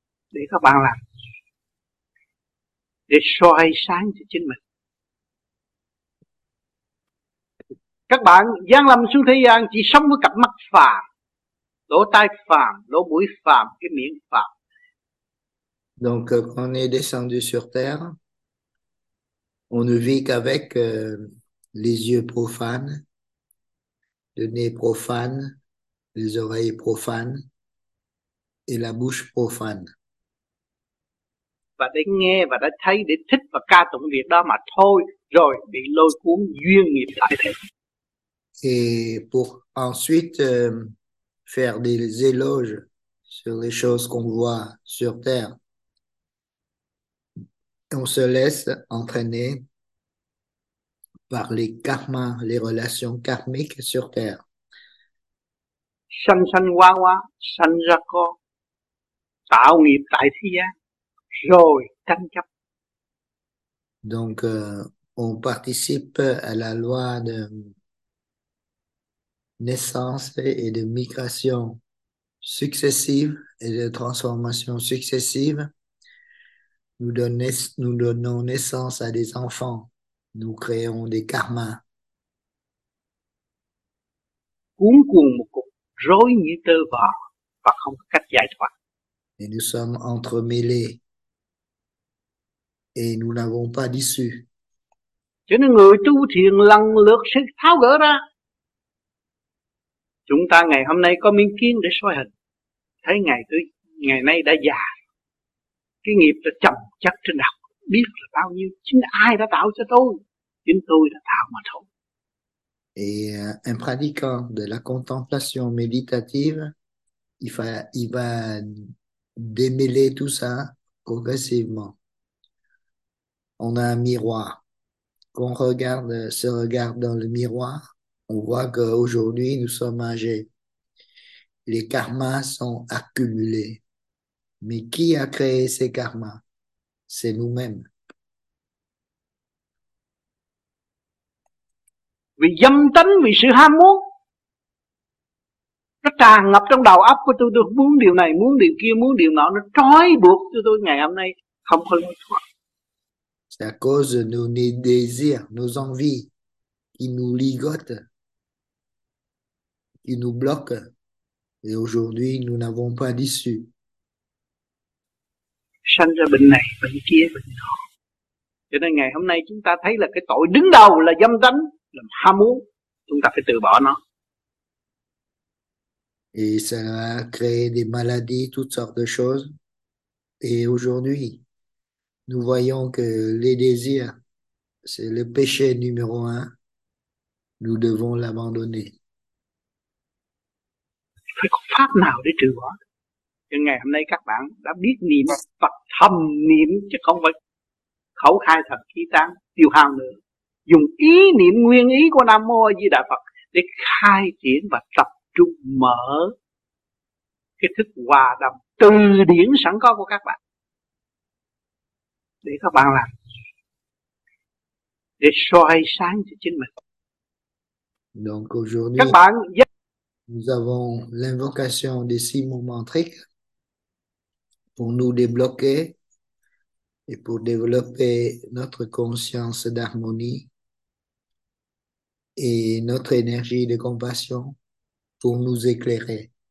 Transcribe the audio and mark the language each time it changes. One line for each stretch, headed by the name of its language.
Vietnamese: Để các bạn làm, để soi sáng cho chính mình. Các bạn giáng lâm xuống thế gian chỉ sống với cặp mắt phàm, lỗ tai phàm, lỗ mũi phàm, cái miệng phàm.
French: Donc quand on est descendu sur terre, on ne vit qu'avec les yeux profanes, le nez profane, les oreilles profanes et la bouche profane.
Vietnamese: Và để nghe và để thấy, để thích và ca tụng việc đó mà thôi, rồi bị lôi cuốn duyên nghiệp lại đây.
French: Et pour ensuite faire des éloges sur les choses qu'on voit sur Terre, on se laisse entraîner par les karmas, les relations karmiques sur Terre.
Vietnamese: Sanh sanh quá quá, sanh ra con, tạo nghiệp tại thế gian. Rồi tranh chấp.
French: Donc, on participe à la loi de naissance et de migration successive et de transformation successive. Nous donnons naissance à des enfants. Nous créons des karmas.
Vietnamese: Cuốn cuồng một cục, rối như tơ vò, và không có cách giải thoát.
French: Et nous sommes entremêlés. Et nous n'avons pas d'issue.
Vietnamese: Cho nên người tu thiền lần lượt sẽ tháo gỡ ra. Chúng ta ngày hôm nay có miếng kiến để soi hình, thấy ngày tới ngày nay đã già, cái nghiệp đã trầm chất trên đầu, biết là bao nhiêu, chính ai đã tạo cho tôi, chính tôi đã tạo mà thôi.
French: Et un pratiquant de la contemplation méditative, il va démêler tout ça progressivement. On a un miroir. Quand on regarde, se regarde dans le miroir, on voit qu'aujourd'hui nous sommes âgés. Les karmas sont accumulés. Mais qui a créé ces karmas? C'est nous-mêmes.
Vietnamese: Vì dâm tính, vì sự ham muốn, nó tràn ngập trong đầu óc của tôi muốn điều này, muốn điều kia, muốn điều nọ, nó trói buộc cho tôi ngày hôm nay không có lối thoát.
French: C'est à cause de nos désirs, nos envies qui nous ligotent, qui nous bloquent, et aujourd'hui nous n'avons pas d'issue.
Vietnamese: Sanh ra bệnh này, bệnh kia, bệnh nọ. Cho nên ngày hôm nay chúng ta thấy là cái tội đứng đầu là dâm tính, làm ham muốn, chúng ta phải từ bỏ nó.
French: Et ça a créé des maladies, toutes sortes de choses. Et aujourd'hui, nous voyons que les désirs, c'est le péché numéro un. Nous devons l'abandonner.
Vietnamese: Phải có pháp nào để trừ bỏ? Nhưng ngày hôm nay các bạn đã biết niệm Phật thầm niệm chứ không phải khẩu khai thật khí tán tiêu hao nữa. Dùng ý niệm nguyên ý của Nam Mô A Di Đà Phật để khai triển và tập trung mở cái thức hòa đồng từ điển sẵn có của các bạn. Để các bạn làm gì? Để soi sáng cho chính mình.
French: Donc aujourd'hui,
Vietnamese: các bạn,
French: nous avons l'invocation des six mouvements triques pour nous débloquer et pour développer notre conscience d'harmonie et notre énergie de compassion pour nous éclairer.